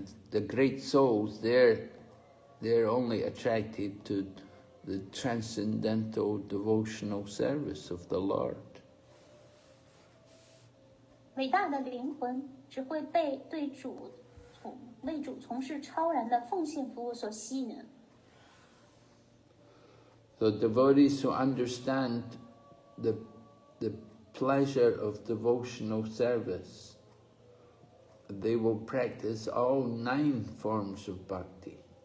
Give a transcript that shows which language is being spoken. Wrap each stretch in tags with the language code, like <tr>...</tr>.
<en>The great souls, they're only attracted to the transcendental devotional service of the Lord.</en> <zh>伟大的灵魂只会被为主从事超然的奉献服务所吸引。</zh> <en>So devotees who understand the pleasure of devotional service, they will practice all 9 forms of bhakti.</en>